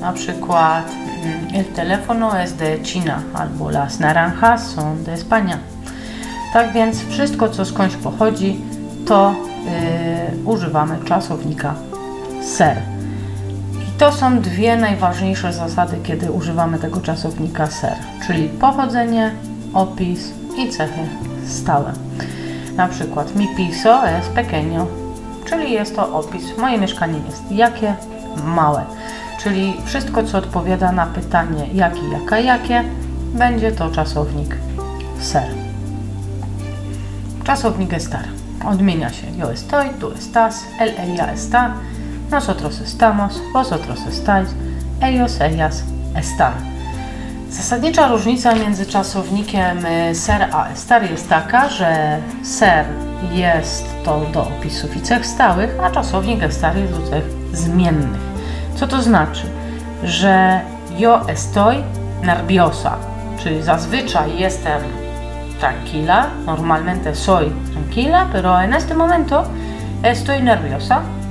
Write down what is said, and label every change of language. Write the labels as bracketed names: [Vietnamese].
[Polish] Na przykład [Spanish] el teléfono es de China, [Polish] albo [Spanish] las naranjas son de España. [Polish] Tak więc wszystko, co skądś pochodzi, to używamy czasownika ser. I to są dwie najważniejsze zasady, kiedy używamy tego czasownika ser, czyli pochodzenie, opis i cechy stałe. Na przykład [Spanish] mi piso es pequeño, [Polish] czyli jest to opis. Moje mieszkanie jest jakie? Małe. Czyli wszystko, co odpowiada na pytanie jaki, jaka, jakie, będzie to czasownik ser. Czasownik estar. Odmienia się. [Spanish] Yo estoy, tu estás, él, ella está. Nosotros estamos, vosotros estáis, ellos, ellas están. [Polish] Zasadnicza różnica między czasownikiem ser a estar jest taka, że ser jest to do opisów i cech stałych, a czasownik estar jest do cech zmiennych. Co to znaczy? Że [Spanish] yo estoy nerviosa, [Polish] czyli zazwyczaj jestem [Spanish] tranquila, normalmente soy tranquila, pero en este momento estoy nerviosa.